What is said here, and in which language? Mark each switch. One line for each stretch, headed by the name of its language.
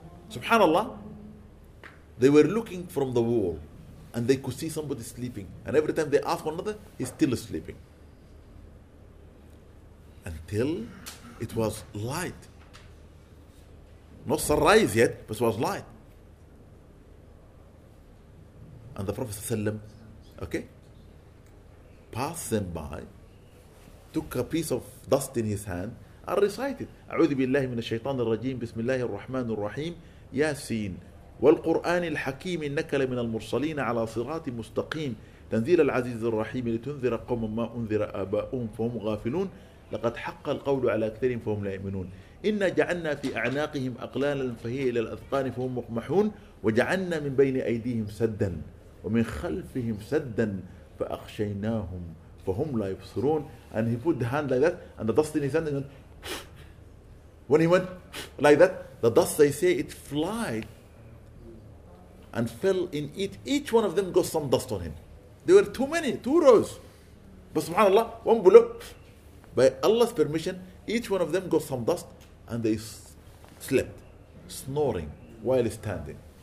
English: SubhanAllah, they were looking from the wall, and they could see somebody sleeping. And every time they asked one another, he's still sleeping. Until it was light. Not sunrise yet, but it was light. And the Prophet ﷺ, okay, passed them by, took a piece of dust in his hand and recited,
Arabic: أعوذ بالله من الشيطان الرجيم بسم الله الرحمن الرحيم ياسين والقرآن الحكيم إنك لمن المرسلين على صراط مستقيم تنزيل العزيز الرحيم لتنذر قوم ما أنذر آباؤهم فهم غافلون لقد حق القول على أكثرهم فهم لا يؤمنون إنا جعلنا في أعناقهم أقلالا فهي إلى الأذقان فهم مقمحون وجعلنا من بين أيديهم سدا ومن خلفهم سدا فأخشيناهم فهم لا يبصرون.
English: And he put the hand like that, and the dust in his hand, and when he went like that, the dust, they say, it flied and fell in it. Each one of them got some dust on him. There were too many, 2 rows. But subhanAllah, one bullet. By Allah's permission, each one of them got some dust, and they slept, snoring while standing.